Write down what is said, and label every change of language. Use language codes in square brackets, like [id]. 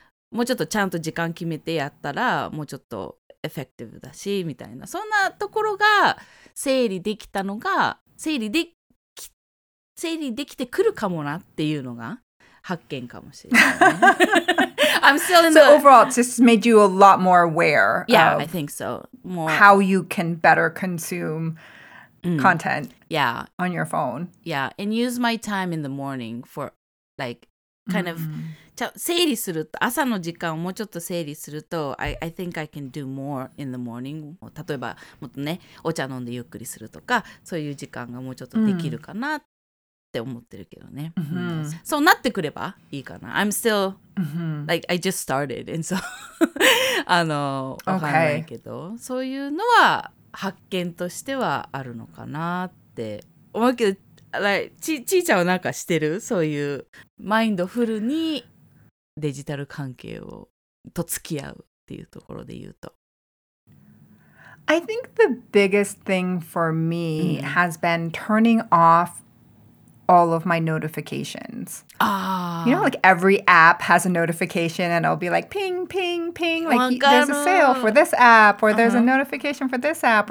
[ja] もうちょっとちゃんと時間決めてやったらもうちょっとエフェクティブだしみたいな、そんなところが整理できてくるかもなっていうのが発見かもしれない、ね、 [en] I'm still in the... So overall, it's just made you a lot more aware of Yeah, I think so. More... How you can better consumecontent yeah on your phone yeah and use my time in the morning for like kind of [ja] 整理すると朝の時間をもうちょっと整理すると [en] I think I can do more in the morning [ja] 例えばもっとねお茶飲んでゆっくりするとかそういう時間がもうちょっとできるかなって思ってるけどね、そうなってくればいいかな [en] I'm still like I just started and so [ja] あのわかんないけど、okay. そういうのは発見としてはあるのかなって思うけど、ちーちゃんはなんかしてる？そういうマインドフルにデジタル関係をと付き合うっていうところで言うと。 [en] I think the biggest thing for me has been turning off all of my notifications. You know, like every app has a notification and it'll be like ping, ping, ping. Like there's a sale for this app or there's a notification for this app.